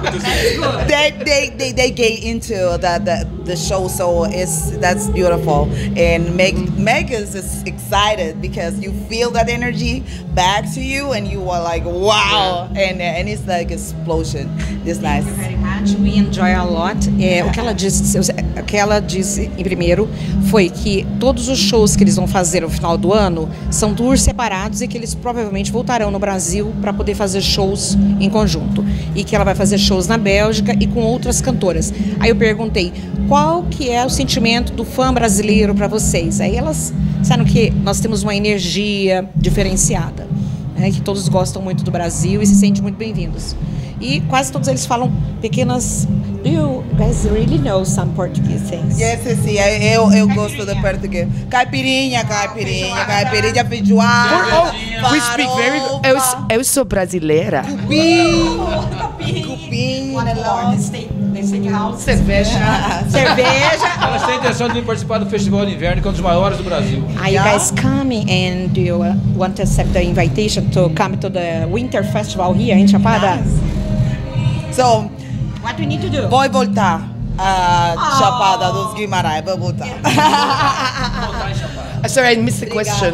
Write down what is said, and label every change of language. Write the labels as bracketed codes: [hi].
[en] they get into the show, so that's beautiful and make us excited because you feel that energy back to you and you are like wow, and it's like explosion. It's thank nice. You very much. We enjoy a lot. [pt] O que ela disse em primeiro foi que todos os shows que eles vão fazer no final do ano são tours separados e que eles provavelmente voltarão no Brasil para poder fazer shows em conjunto. E que ela vai fazer shows na Bélgica e com outras cantoras. Aí eu perguntei, qual que é o sentimento do fã brasileiro para vocês? Aí elas disseram que nós temos uma energia diferenciada, né? Que todos gostam muito do Brasil e se sentem muito bem-vindos. E quase todos eles falam pequenas... [en] Do you guys really know some Portuguese things? Yes, yes, [pt] eu gosto do português. Caipirinha, caipirinha, caipirinha, feijoada. [en] Oh, we speak very... [pt] Eu sou brasileira. Cupim. [en] What a lot. Steakhouse. [pt] Cerveja. Cerveja. Ela tem a intenção de participar do Festival de Inverno, que é um dos maiores do Brasil. [en] Are you guys coming and do you want to accept the invitation to come to the Winter Festival here in Chapada? Nice. So... What we need to do? [pt] Vou voltar a Chapada dos Guimarães. Vou voltar. [en] Yeah. Sorry, I missed the question.